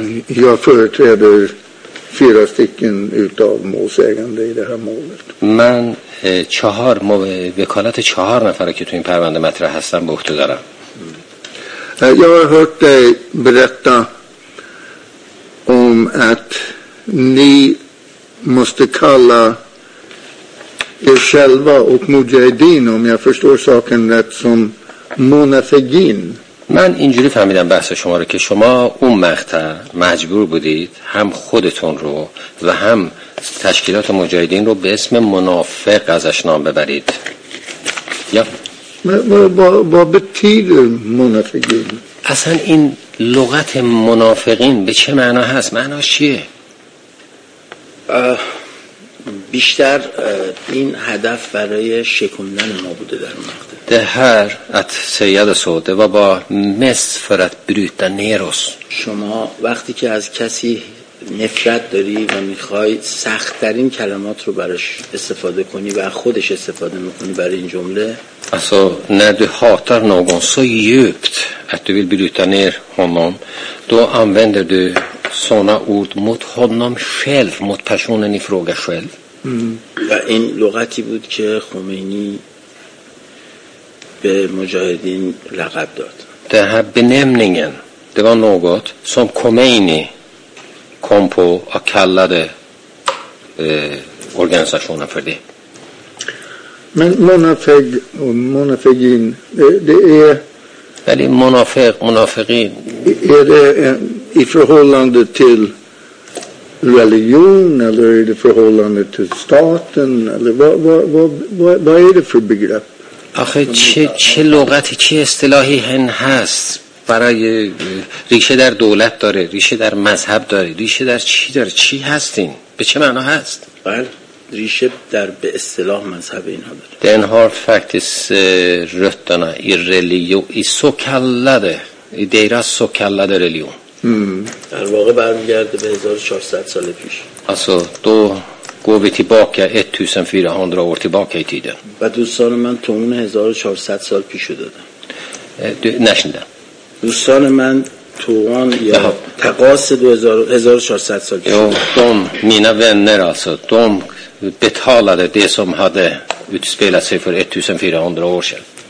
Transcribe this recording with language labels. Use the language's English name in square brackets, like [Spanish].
[Swedish] یا företräder fyra stycken utav målsägande i det här målet. [Persian] من چهار وکالت چهار نفره که تو این پرونده مطرح هستن به عهده دارم. [Swedish] Jag har hört dig berätta om att ni måste kalla er själva och Mujahedin, om jag förstår saken rätt, som Monafegin. [Persian] من اینجوری فهمیدم بحث شما رو که شما اون مقطع مجبور بودید هم خودتون رو و هم تشکیلات مجاهدین رو به اسم منافق ازش نام ببرید. یا [Swedish] با بتید منافقین، [Persian] اصلا این لغت منافقین به چه معنا هست؟ معناش چیه؟ بیشتر این هدف برای شکوندن ما بوده در اون مقطع. [Swedish] Det här att säga det så, det var bara mest för att bryta ner oss. [Persian] شما وقتی که از کسی نفرت داری و میخوای سخت‌ترین کلمات رو براش استفاده کنی و خودش استفاده می‌کنی برای این جمله. [Swedish] Alltså när du hatar någon så djupt att du vill bryta ner honom, då använder du såna ord mot honom själv, mot personen i fråga själv. [Persian] و این لغتی بود که خمینی به مجاهدین لقب داد. [Swedish] Det här benämningen, det var något som Khomeini kom på och kallade organisationen för det. Men munafiq och munafiqin, det är väldigt munafiq, munafiqin. Är det i förhållande till religion eller är det förhållande till staten eller vad är det för begrepp? [Persian] آخه چه لغتی، چه اصطلاحی هن هست برای ریشه در دولت داره، ریشه در مذهب داره، ریشه در چی داره، چی هستین، به چه معنا هست؟ بله، ریشه در به اصطلاح مذهب اینها داره. [Swedish] Den har faktiskt rötterna i religion, i så kallade, i deras så kallade religion. [Persian] در واقع برمیگرده به 1400 سال پیش. [Swedish] Alltså då går vi tillbaka 1400 år tillbaka i tiden. [Persian] و دوستان من تو اون 1400 سال پیشو دادم. نشنیدم. دوستان من تو اون یا تقاس 1400 سال پیشو دادم. [Swedish] مینا ونر آسو دوم بتالده دی سم هده اتسپیلا سی فر 1400 år sedan.